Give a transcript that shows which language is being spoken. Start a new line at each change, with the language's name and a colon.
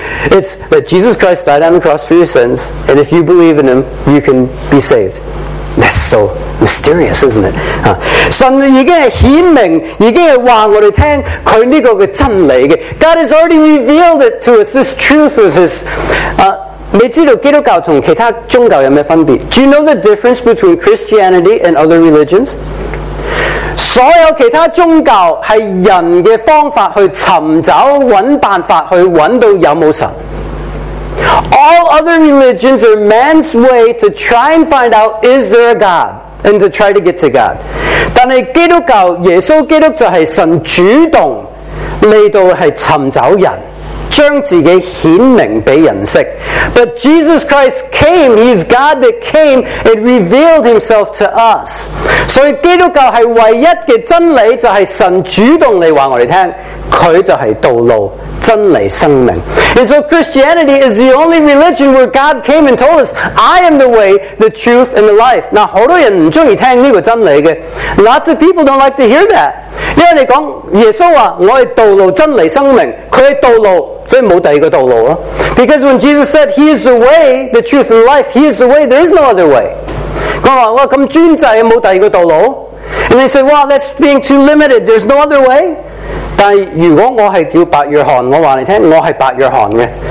English: It's that Jesus Christ died on the cross for your sins, and if you believe in him, you can be saved. That's so mysterious, isn't it?
Chinese: 神已经显明，已经话我们听他这个的真理。
English: God has already revealed it to us, this truth of his...
Chinese: 你知道基督教和其他宗教有什么分别？
English: Do you know the difference between Christianity and other religions?
Chinese: 所有其他宗教是人的方法去寻找找办法去找到有没有神
English: All other religions are man's way to try and find out is there a God and to try to get to God
Chinese: 但是基督教耶稣基督就是神主动来到是寻找人将自己显明给人识
English: But Jesus Christ came, He's God that came and revealed Himself to us.
Chinese: 所以基督教是唯一的真理，就是神主动来告诉我们，他就是道路、真理、生命。
English: And so Christianity is the only religion where God came and told us, I am the way, the truth, and the life.
Chinese: 那很多人不喜欢听这个真理的。
English: Lots of people don't like to hear that.
Chinese: 因为你说耶稣说我是道路真理生命他是道路所以没有第二个道路
English: Because when Jesus said he is the way the truth and life he is the way there is no other way
Chinese: 他说这么专制没有第二个道路
English: And they said wow that's being too limited there's no other way
Chinese: 但如果我是叫白约翰我告诉你我是白约翰的、